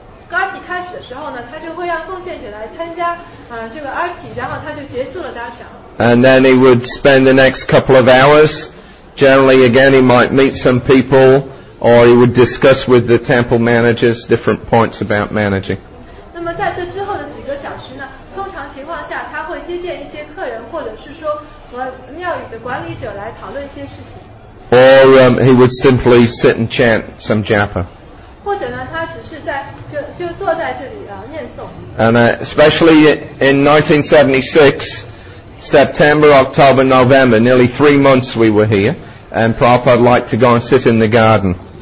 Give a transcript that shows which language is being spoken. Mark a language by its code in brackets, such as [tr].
[zh] Garpi 开始的时候呢，他就会让奉献者来参加这个 Arti， 然后他就结束了 Dasha。 [en] And then he would spend the next couple of hours. Generally, again, he might meet some people, or he would discuss with the temple managers different points about managing. [zh] 那么在这之后的几个小时呢，通常情况下他会接见一些客人，或者是说和庙宇的管理者来讨论一些事情。 [en] Or he would simply sit and chant some japa. [zh] 或者呢，他只是在就坐在这里念诵。 [en] And especially in 1976, September, October, November, nearly 3 months we were here, and Prabhupada liked to go and sit in the garden.